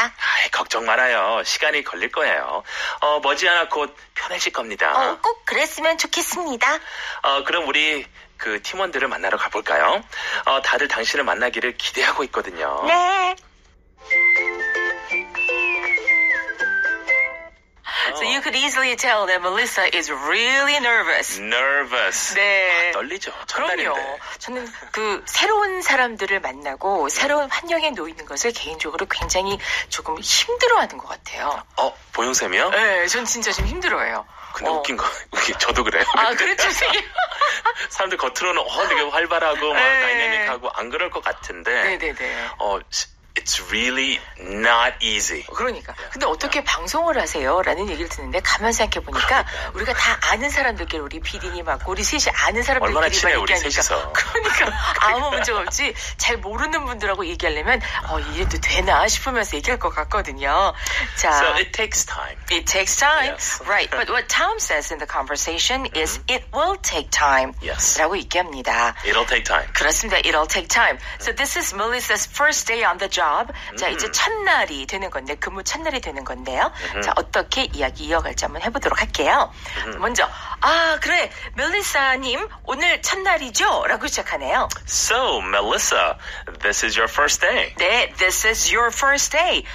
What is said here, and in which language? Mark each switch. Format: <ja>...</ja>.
<ko>아이, 걱정 말아요. 시간이 걸릴 거예요. 머지않아 곧 편해질 겁니다. 꼭 그랬으면 좋겠습니다. 그럼 우리 그 팀원들을 만나러 가볼까요? 다들 당신을 만나기를 기대하고 있거든요. 네.</ko> <en>So you could easily tell that Melissa is really nervous. Nervous.</en> <ko>네. 아, 떨리죠. 첫날인데. 그럼요. 저는 그 새로운 사람들을 만나고 새로운 환경에 놓이는 것을 개인적으로 굉장히 조금 힘들어하는 것 같아요. 보영쌤이요? 네. 전 진짜 좀 힘들어해요. 근데 웃긴 거, 저도 그래요. 아, 그렇죠, 선생님. 사람들 겉으로는 되게 활발하고 막 다이내믹하고 안 그럴 것 같은데. 네네네.</ko> <en>It's really not easy.</en> <ko>그러니까. 근데 어떻게 방송을 하세요? 라는 얘기를 듣는데 가만 생각해보니까 그러니까. 우리가 다 아는 사람들끼리 우리 PD님하고 우리 셋이 아는 사람들끼리 얼마나 친해요 우리 셋이서. 그러니까. 아무 문제 없지. 잘 모르는 분들하고 얘기하려면 이래도 되나 싶으면서 얘기할 것 같거든요.</ko> <en>자, So it takes time. It takes time. Yes. Right. But what Tom says in the conversation is it will take time. Yes.</en> <ko>라고 얘기합니다.</ko> <en>It'll take time.</en> <ko>그렇습니다.</ko> <en>It'll take time. So this is Melissa's first day on the job.</en> <ko>자, 이제 첫날이 되는 건데, 근무 첫날이 되는 건데요. 자, 어떻게 이야기 이어갈지 한번 해보도록 할게요. 먼저, 아, 그래, 멜리사님, 오늘 첫날이죠? 라고 시작하네요.</ko> <en>So, Melissa, this is your first day. 네, this is your first day.</en>